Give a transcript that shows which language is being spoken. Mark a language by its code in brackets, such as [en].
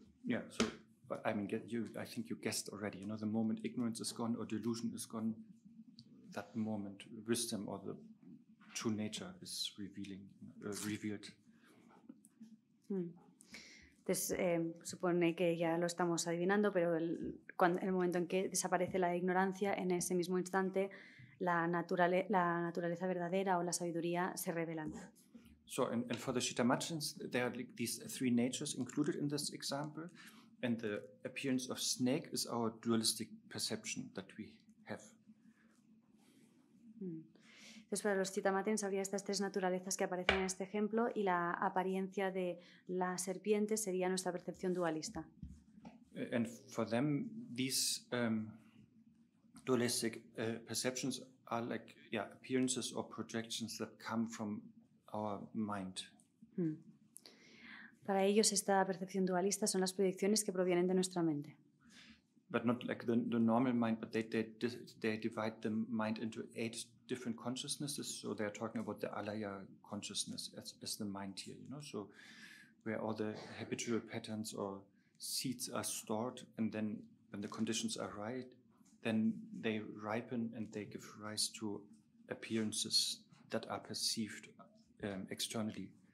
[en] Yeah, so, but I mean, I think you guessed already, you know, the moment ignorance is gone or delusion is gone, that moment wisdom or the true nature is revealed. [es] Entonces, supone que ya lo estamos adivinando, pero el momento en que desaparece la ignorancia, en ese mismo instante, la naturaleza verdadera o la sabiduría se revelan. [en] So, and for the Shitamachins, there are like these three natures included in this example, and the appearance of snake is our dualistic perception that we have. [es] Entonces, para los chitamatins habría estas tres naturalezas que aparecen en este ejemplo y la apariencia de la serpiente sería nuestra percepción dualista. [en] And for them, these dualistic perceptions are like, yeah, appearances or projections that come from our mind. [es] Para ellos esta percepción dualista son las proyecciones que provienen de nuestra mente. [en] But not like the normal mind, but they divide the mind into eight different consciousnesses. So they are talking about the alaya consciousness as the mind here, you know. So where all the habitual patterns or seeds are stored, and then when the conditions are right, then they ripen and they give rise to appearances that are perceived externally.